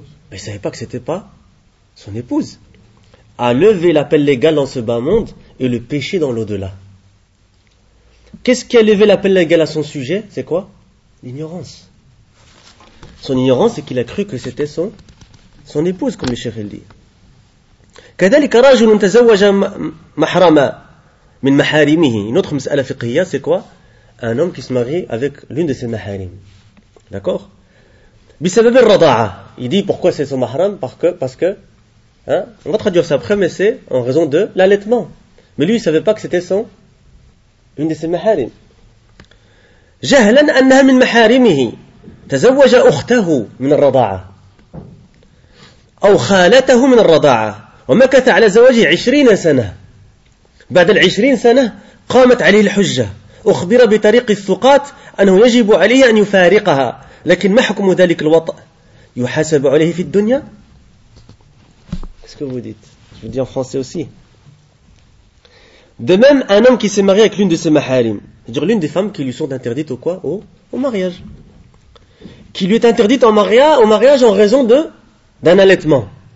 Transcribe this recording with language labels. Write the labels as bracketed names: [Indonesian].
[French] Mais il ne savait pas que ce n'était pas son épouse. A levé l'appel légal dans ce bas monde et le péché dans l'au-delà. Qu'est-ce qui a levé l'appel légal à son sujet? C'est quoi? L'ignorance. Son ignorance, c'est qu'il a cru que c'était son épouse, comme le cheikh dit. [Arabic] كذلك رجل تزوج محرما من محارمه. [French] Une autre [Arabic] مسألة فقهية, [French] c'est quoi? Un homme qui se marie avec l'une de ses محارم. D'accord? [Arabic] بسبب الرضاعة. [French] Il dit pourquoi c'est son mahram? Parce que, hein? On va traduire ça après, mais c'est en raison de l'allaitement. Mais lui, il ne savait pas que c'était son. L'une de ses محارم. [Arabic] جهلا أنها من محارمه. تزوج أخته من الرضاعة. أو خالته من الرضاعة. ومكث على زواجه 20 سنة. بعد 20 سنة قامت عليه الحجة. أخبر بطريق الثقات أنه يجب عليه أن يفارقها. لكن ما حكم ذلك الوطء؟ يحاسب عليه في الدنيا؟ [French] Qu'est-ce que vous dites? Je vous dis en français aussi. De même, un homme qui s'est marié avec l'une de ses maharim, c'est-à-dire l'une des femmes qui lui sont interdites au quoi? Au mariage. Qui lui est interdite au mariage en raison d'un allaitement.